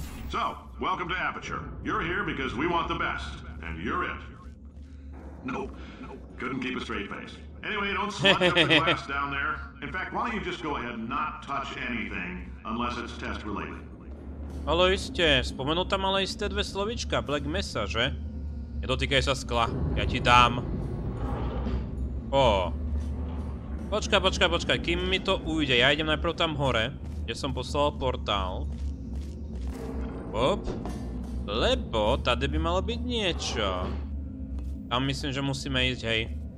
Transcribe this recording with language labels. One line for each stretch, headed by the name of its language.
English: So, welcome to Aperture. You're here because we want the best, and you're it. Nope. Couldn't keep a straight face. Anyway, don't slug up the glass down there. In fact, why don't you just go ahead and not touch anything unless it's test-related.
Slovak: Ale iste, spomenul tam ale isté dve slovička, Black Mesa, že? Nedotýkaj sa skla, ja ti dám. Ó. Počkaj, kým mi to ujde, ja idem najprv tam hore, kde som poslal portál. Hop. Lebo, tady by malo byť niečo. Tam myslím, že musíme ísť, hej.